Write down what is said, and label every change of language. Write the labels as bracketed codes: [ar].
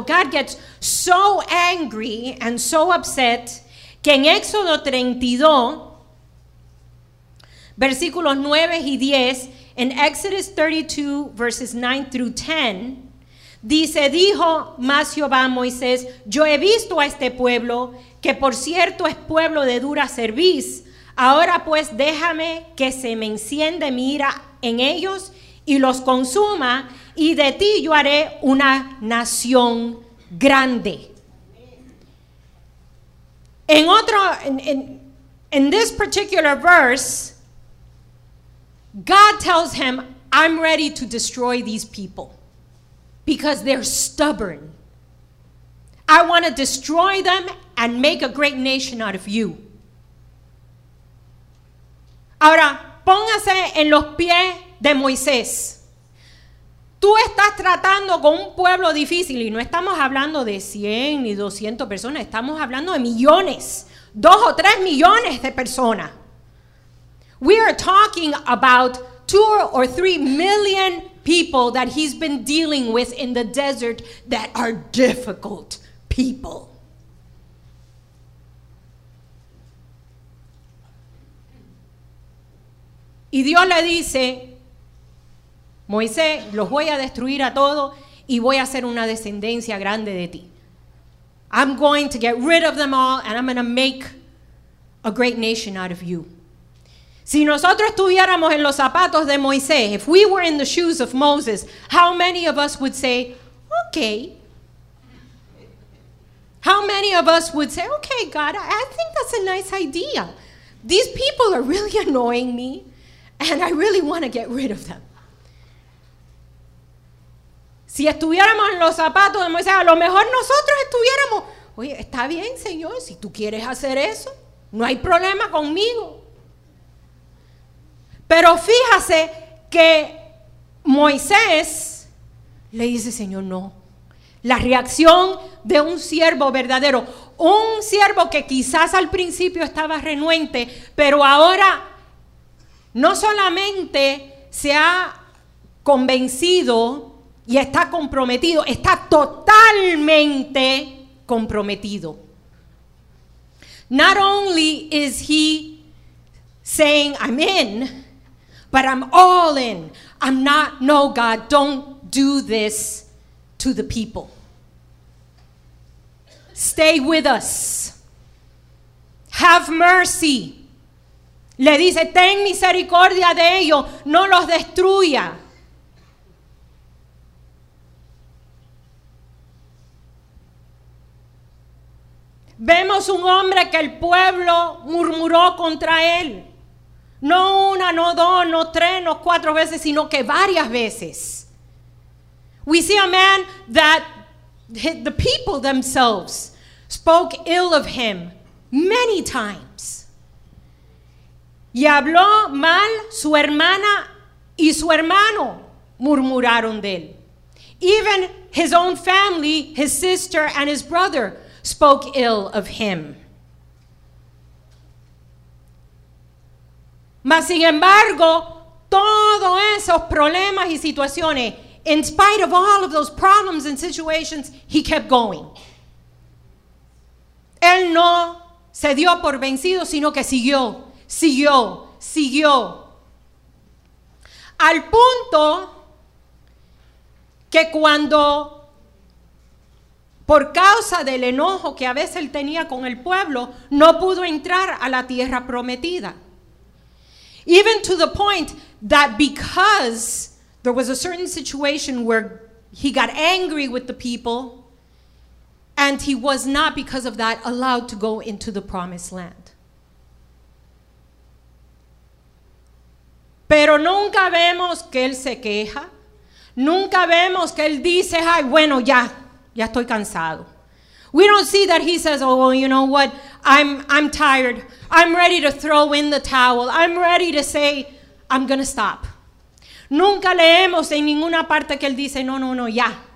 [en] God gets so angry and so upset [es] que en Éxodo 32, versículos 9 y 10, en [en] Exodus 32, verses 9 through 10, [es] dice, dijo más Jehová a Moisés, yo he visto a este pueblo, que por cierto es pueblo de dura cerviz. Ahora pues déjame que se me encienda mi ira en ellos y los consuma, y de ti yo haré una nación grande. En otro, [en] in this particular verse, God tells him, I'm ready to destroy these people because they're stubborn. I want to destroy them and make a great nation out of you. [es] Ahora, póngase en los pies de Moisés. Tú estás tratando con un pueblo difícil, y no estamos hablando de 100 ni 200 personas, estamos hablando de millones, 2 o 3 millones de personas. [en] We are talking about 2 or 3 million people that he's been dealing with in the desert that are difficult people. [es] Y Dios le dice, Moisés, los voy a destruir a todos y voy a hacer una descendencia grande de ti. [en] I'm going to get rid of them all and I'm going to make a great nation out of you. [es] Si nosotros estuviéramos en los zapatos de Moisés, [en] if we were in the shoes of Moses, how many of us would say, okay. How many of us would say, okay, God, I think that's a nice idea. These people are really annoying me and I really want to get rid of them. [es] Si estuviéramos en los zapatos de Moisés, a lo mejor nosotros estuviéramos, oye, está bien, Señor, si tú quieres hacer eso, no hay problema conmigo. Pero fíjase que Moisés le dice, Señor, no. La reacción de un siervo verdadero, un siervo que quizás al principio estaba renuente, pero ahora no solamente se ha convencido y está comprometido, está totalmente comprometido. [en] Not only is he saying, I'm in, but I'm all in. I'm not, no, God, don't do this to the people. Stay with us. Have mercy. [es] Le dice, ten misericordia de ellos, no los destruya. Vemos un hombre que el pueblo murmuró contra él. No una, no dos, no tres, no cuatro veces, sino que varias veces. [en] We see a man that the people themselves spoke ill of him many times. [es] Y habló mal su hermana y su hermano murmuraron de él. [en] Even his own family, his sister and his brother spoke ill of him. [es] Mas sin embargo, todos esos problemas y situaciones, [en] in spite of all of those problems and situations, he kept going. [es] Él no se dio por vencido, sino que siguió, siguió, siguió. Al punto que cuando, por causa del enojo que a veces él tenía con el pueblo, no pudo entrar a la tierra prometida. [en] Even to the point that because there was a certain situation where he got angry with the people, and he was not, because of that, allowed to go into the promised land. [es] Pero nunca vemos que él se queja. Nunca vemos que él dice, ay, bueno, ya. Ya estoy cansado. [en] We don't see that he says, oh, well, you know what? I'm tired. I'm ready to throw in the towel. I'm ready to say, I'm going to stop. [es] Nunca leemos en ninguna parte que él dice, no, no, no, ya.